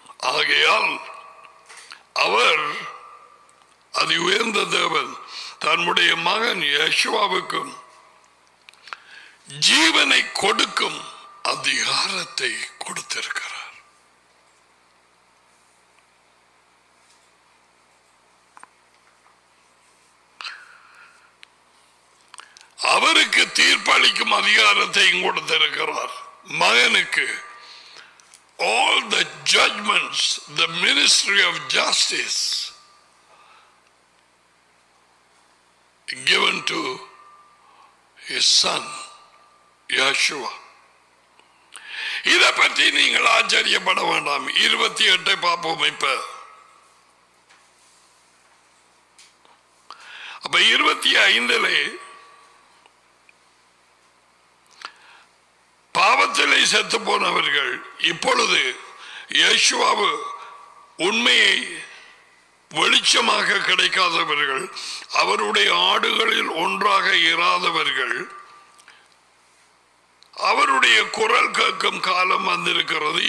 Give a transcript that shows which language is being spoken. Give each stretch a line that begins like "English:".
Tamil: ஆகையால் அவர், அதி உயர்ந்த தேவன், தன்னுடைய மகன் யேசுவாவுக்கும் ஜீவனை கொடுக்கும் அதிகாரத்தை கொடுத்திருக்கிறார். அவருக்கு தீர்ப்பளிக்கும் அதிகாரத்தையும் கொடுத்திருக்கிறார் மகனுக்கு.
English: All the judgments, the ministry of justice given to his son Yeshua.
Tamil: இதை பற்றி நீங்கள் ஆச்சரியப்பட வேண்டாம். 28 பார்ப்போம் இப்ப. அப்ப 25 பாவத்திலே செத்து போனவர்கள் இப்பொழுது யேசுவாவு உண்மையை வெளிச்சமாக கிடைக்காதவர்கள், அவருடைய ஆடுகளில் ஒன்றாக இராதவர்கள், அவருடைய குரல் கேட்கும் காலம் வந்திருக்கிறது.